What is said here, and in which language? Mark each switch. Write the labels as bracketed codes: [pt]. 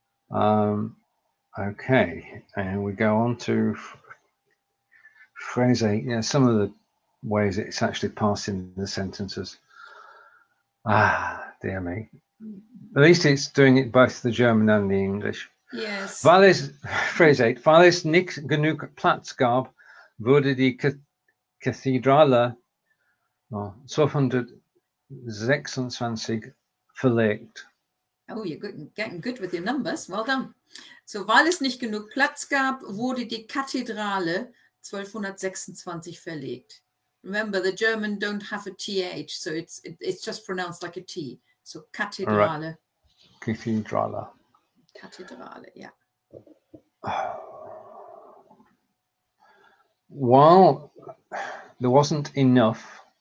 [en] Okay, and we go on to phrase eight. Yeah, some of the ways it's actually passing the sentences. Ah, dear me. At least it's doing it both the German and the English. Yes. Phrase eight. [de] Weil es nicht genug Platz gab, wurde die Kathedrale 1226 verlegt. [en] Oh, you're getting good with your numbers. Well done. [de] So, weil es nicht genug Platz gab, wurde die Kathedrale 1226 verlegt. [en] Remember, the German don't have a TH, so it's just pronounced like a T. So Kathedrale. Kathedrale. Kathedrale, yeah. While there wasn't enough.